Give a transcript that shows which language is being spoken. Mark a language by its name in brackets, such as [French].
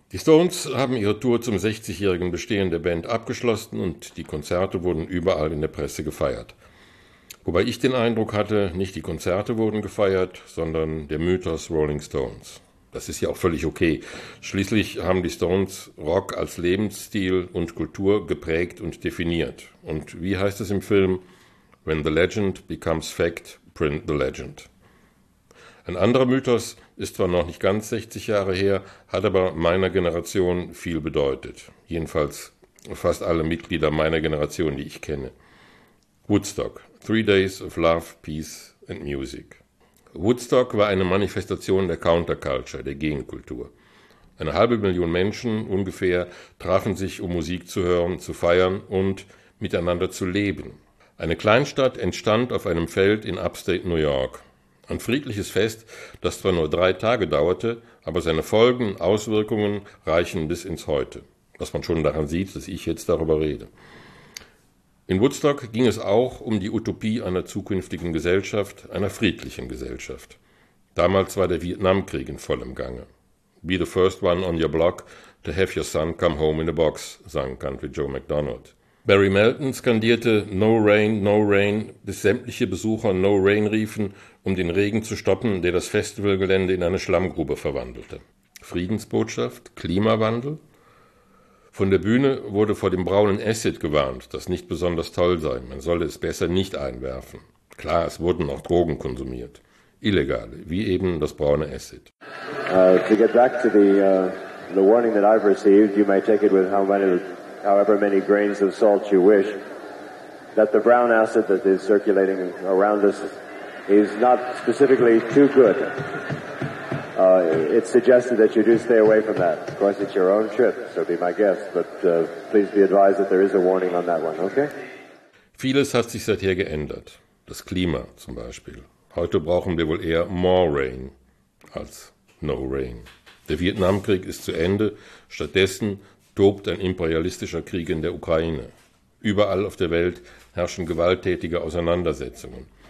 [German] Die Stones haben ihre Tour zum 60-jährigen Bestehen der Band abgeschlossen und die Konzerte wurden überall in der Presse gefeiert. Wobei ich den Eindruck hatte, nicht die Konzerte wurden gefeiert, sondern der Mythos Rolling Stones. Das ist ja auch völlig okay. Schließlich haben die Stones Rock als Lebensstil und Kultur geprägt und definiert. Und wie heißt es im Film? [English] When the legend becomes fact, print the legend. [German] Ein anderer Mythos ist zwar noch nicht ganz 60 Jahre her, hat aber meiner Generation viel bedeutet. Jedenfalls fast alle Mitglieder meiner Generation, die ich kenne. Woodstock. [English] 3 Days of Love, Peace and Music. [German] Woodstock war eine Manifestation der Counterculture, der Gegenkultur. Eine 500.000 Menschen ungefähr trafen sich, um Musik zu hören, zu feiern und miteinander zu leben. Eine Kleinstadt entstand auf einem Feld in Upstate New York. Ein friedliches Fest, das zwar nur 3 Tage dauerte, aber seine Folgen, Auswirkungen reichen bis ins Heute. Was man schon daran sieht, dass ich jetzt darüber rede. In Woodstock ging es auch um die Utopie einer zukünftigen Gesellschaft, einer friedlichen Gesellschaft. Damals war der Vietnamkrieg in vollem Gange. [English] Be the first one on your block to have your son come home in a box, sang Country Joe McDonald. [German] Barry Melton skandierte [English] No Rain, No Rain, [German] bis sämtliche Besucher No Rain riefen, um den Regen zu stoppen, der das Festivalgelände in eine Schlammgrube verwandelte. Friedensbotschaft, Klimawandel? Von der Bühne wurde vor dem braunen Acid gewarnt, das nicht besonders toll sei. Man solle es besser nicht einwerfen. Klar, es wurden auch Drogen konsumiert. Illegale, wie eben das braune Acid. [English] To get back to the warning that I've received, you may take it with however many grains of salt you wish, that the brown acid that is circulating around us is not specifically too good. It's suggested that you do stay away from that. Of course, it's your own trip, so be my guest, but please be advised that there is a warning on that one, okay? [German] Vieles hat sich seither geändert. Das Klima zum Beispiel. Heute brauchen wir wohl eher [English] more rain [German] als no rain. Der Vietnamkrieg ist zu Ende. Stattdessen tobt ein imperialistischer Krieg in der Ukraine. Überall auf der Welt herrschen gewalttätige Auseinandersetzungen.